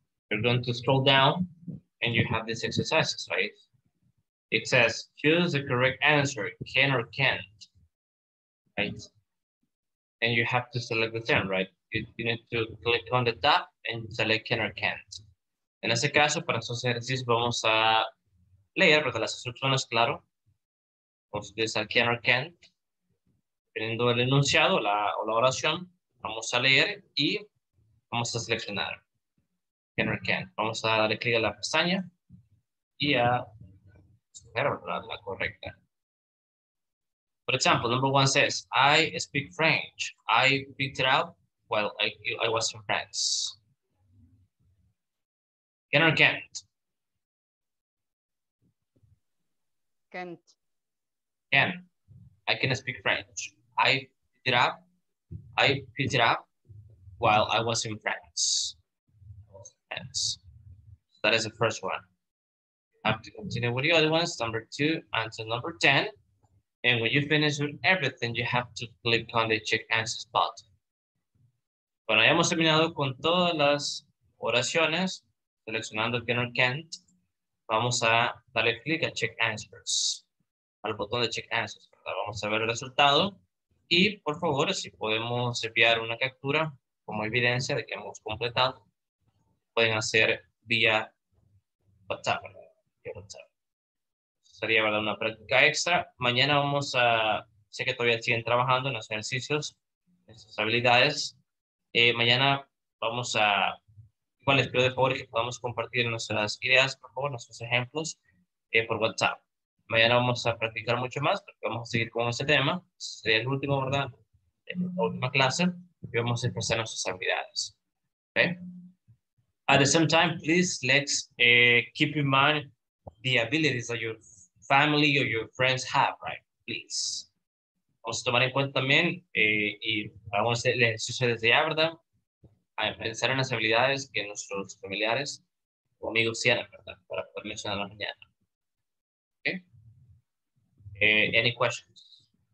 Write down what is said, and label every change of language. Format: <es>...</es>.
<en>You're going to scroll down and you have these exercises, right? It says choose the correct answer, can or can't, right? And you have to select the term, right? You need to click on the top and select can or can't.</en> <es>En ese caso, para esos ejercicios, vamos a leer, ¿verdad? Las instrucciones, claro. Vamos a utilizar can or can't. Dependiendo del enunciado la, o la oración, vamos a leer y vamos a seleccionar can or can't. Vamos a darle clic a la pestaña y a escoger la correcta. Por ejemplo,</es> <en>number one says, I speak French. I picked it up while I was in France. Can or can't? Can't. Can. I can speak French. I picked it up while I was in France. So that is the first one. I have to continue with the other ones, number two, answer number 10. And when you finish with everything, you have to click on the check answers button.</en> <es>Bueno, ya hemos terminado con todas las oraciones. Seleccionando can or can't, vamos a darle clic a check answers, al botón de check answers. ¿Verdad? Vamos a ver el resultado y por favor, si podemos enviar una captura como evidencia de que hemos completado, pueden hacer vía WhatsApp. Sería ¿verdad? Una práctica extra. Mañana vamos a, sé que todavía siguen trabajando en los ejercicios, en sus habilidades. Mañana vamos a les pido de favor que podamos compartir nuestras ideas, por favor, nuestros ejemplos por WhatsApp. Mañana vamos a practicar mucho más porque vamos a seguir con este tema. Sería el último, ¿verdad? En la última clase y vamos a expresar nuestras habilidades. ¿Okay?</es> <en>At the same time, please let's keep in mind the abilities that your family or your friends have, right? Please.</en> <es>Vamos a tomar en cuenta también y vamos a hacer el ejercicio desde ya, ¿verdad? A pensar en las habilidades que nuestros familiares o amigos tienen, ¿verdad? Para poder mencionarlo mañana. ¿Ok?</es> <en>Any questions?</en>